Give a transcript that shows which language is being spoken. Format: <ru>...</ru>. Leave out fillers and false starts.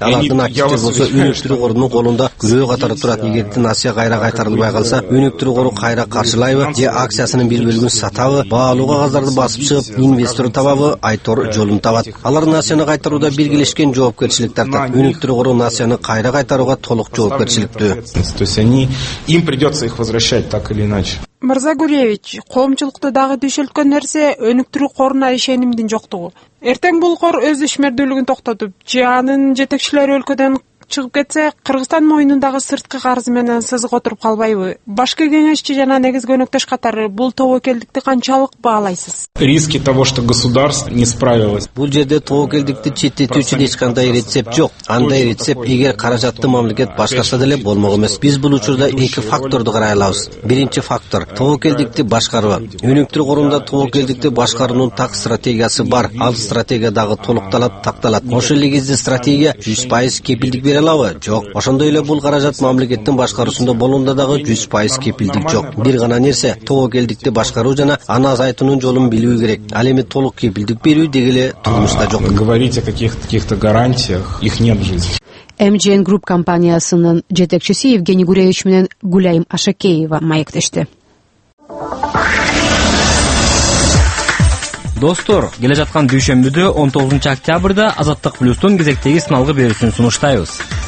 <ky>Алардын активдер болсо өнүктүрүү корунун колунда күрөө катары турат. Эгерде насыя кайра кайтарылбай калса, өнүктүрүү кору кайра каржылайбы же акциясынын бир бөлүгүн сатабы, баалуу кагаздарды басып чыгып инвестор табабы, айтор жолун табат. Алар насыяны кайтарууда биргелешкен жоопкерчилик тартат. Өнүктүрүү кору насыяны кайра кайтарууга толук жоопкерчиликтүү.</ky> <ru>То есть они им придётся их возвращать так или иначе.</ru> <ky>Мырза Гуревич, коомчулукту дагы дүйшөлткөн нерсе өнүктүрүү коруна ишенимдин жоктугу. Эртең бул кор өз ишмердүүлүгүн токтотуп, же анын жетекчилери өлкөдөн чыгып кетсе, Кыргызстан мойнундагы сырткы карызы менен сызык отуруп калбайбы? Башкы кеңешчи жана негизги өнөктөш катары бул тобокелдикти канчалык баалайсыз?</ky> <ru>Риски того, что государство не справилось.</ru> <ky>Бул жерде тобокелдикти четтетүү үчүн эч кандай рецепт жок. Андай рецепт эгер каражатты мамлекет башкарса деле болмок эмес. Биз бул учурда эки факторду карай алабыз. Биринчи фактор тобокелдикти башкаруу. Өнүктүрүү корунда тобокелдикти башкаруунун так стратегиясы бар. Ал стратегия дагы толукталат, такталат. Ошол эле кезде стратегия 100% кепилдик бере алабы? Жок. Ошондой эле бул каражат мамлекеттин башкаруусунда болгондо дагы 100% кепилдик жок. Бир гана нерсе тобокелдикти башкаруу жана аны азайтуунун жолун билүү керек. Ал эми толук кепилдик берүү деги эле турмушта жок.</ky> <ru>Говорить о каких-то гарантиях, их нет в жизни.</ru> <ky>МЖН Групп компаниясынын жетекчиси Евгений Гуревич менен Гуляйым Ашакеева маектешти. Достор, келе жаткан дүйшөмбүдө 19 октябрда Азаттык Плюстун кезектеги сыналгы берүүсүн сунуштайбыз.</ky>